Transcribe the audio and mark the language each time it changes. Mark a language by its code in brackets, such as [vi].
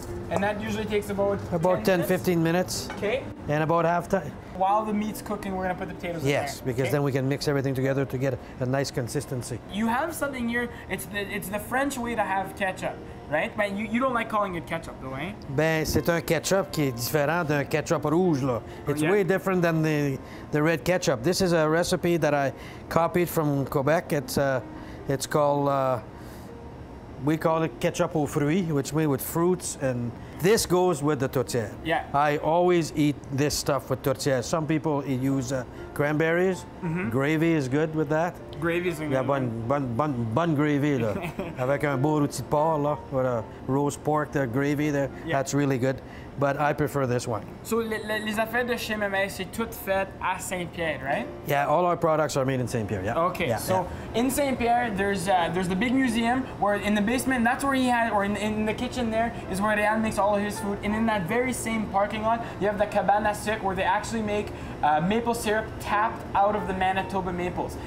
[en] And that usually takes about 10-15 minutes. Okay. And about half time. While the meat's cooking, we're gonna put the potatoes in there. Yes, because then we can mix everything together to get a nice consistency. You have something here, it's the French way to have ketchup, right? But you don't like calling it ketchup, though, eh? [fr] Ben, c'est un ketchup qui est différent d'un ketchup rouge, là. [en] It's way different than the red ketchup. This is a recipe that I copied from Quebec. It's called... We call it ketchup aux fruits, which means with fruits and This goes with the tourtiere. Yeah. I always eat this stuff with tourtiere. Some people use cranberries. Mm-hmm. Gravy is good with that. Gravy is good. Yeah, bun gravy, là. [fr] Avec un beau rôti de porc, là, [en] with a roast pork, the gravy there. Yeah. That's really good. But I prefer this one. [fr] So, les affaires de chez Mémère, c'est tout fait à St-Pierre, right? [en] Yeah, all our products are made in St-Pierre, yeah. Okay, yeah, so yeah. In St-Pierre, there's the big museum, where in the basement, that's where he had, or in the kitchen there, is where Réal makes all of his food. And in that very same parking lot, you have the cabane à sucre, where they actually make maple syrup tapped out of the Manitoba maples.